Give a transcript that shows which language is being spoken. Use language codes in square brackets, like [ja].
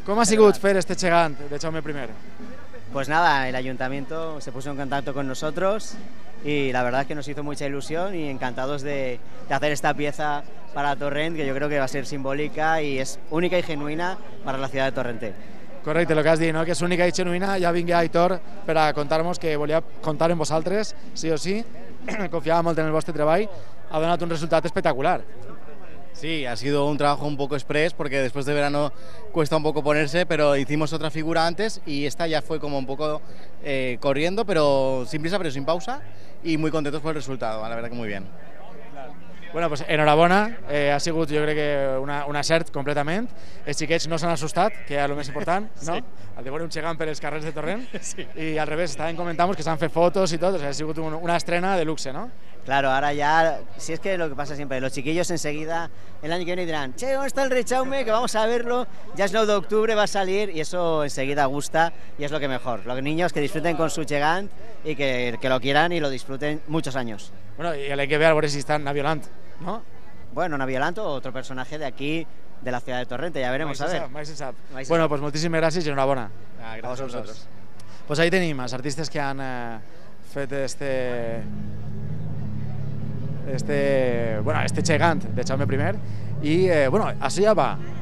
[ca] Com ha sigut fer este gegant de Jaume primer? [es] Pues nada, el ayuntamiento se puso en contacto con nosotros y la verdad es que nos hizo mucha ilusión y encantados de hacer esta pieza para Torrent, que yo creo que va a ser simbólica y es única y genuina para la ciudad de Torrente. [ca] Correcte, el que has dit, no? Que és única i genuïna. Ja vingui Aitor per a contar-nos que volia contar amb vosaltres, sí o sí. Confiava molt en el vostre treball. Ha donat un resultat espectacular. [es] Sí, ha sido un trabajo un poco express porque después de verano cuesta un poco ponerse, pero hicimos otra figura antes y esta ya fue como un poco corriendo, pero sin prisa, pero sin pausa, y muy contentos por el resultado, la verdad que muy bien. [ca] Bueno, pues enhorabona, ha sigut jo crec que un acert completament. Els xiquets no s'han assustat, que és el més important, no? Sí. De veure un gegant per els carrers de Torrent. Sí. I al revés, estàvem comentant que s'han fet fotos i tot, o sigui, ha sigut una estrena de luxe, no? [es] Claro, ahora ya, si es que lo que pasa siempre, los chiquillos enseguida, el año que viene dirán, che, ¿dónde está el Rey Jaume? Que vamos a verlo, ya es 9 de octubre, va a salir, y eso enseguida gusta, y es lo que mejor. Los niños que disfruten con su gegant, y que lo quieran y lo disfruten muchos años. Bueno, y el año que viene, a ver si está Naviolant, ¿no? Bueno, Naviolant o otro personaje de aquí, de la ciudad de Torrente, ya veremos, a ver. Mais bueno, pues muchísimas gracias y enhorabuena. A vosotros. Pues ahí tenéis más artistas que [ca] han fet este... este, bueno, este gegant de Jaume primer i, bueno, això ja va